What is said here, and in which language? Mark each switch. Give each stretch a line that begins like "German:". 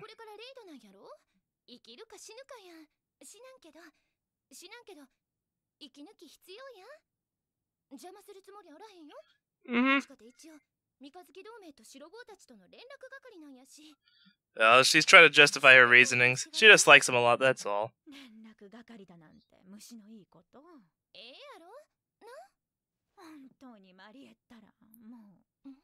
Japanese: これからレイドなんやろ？生きるか死ぬかやん。死なんけど、死なんけど、生き抜き必要やん。邪魔するつもりあらへんよ。 Mm-hmm. しかて一応、三日月同盟と白坊たちとの連絡係なんやし。
English: Well, she's trying to justify her reasonings. She just likes him a lot, that's all.
Japanese: 連絡係だなんて虫のいいこと。ええやろ？な？本当にマリエったらもう。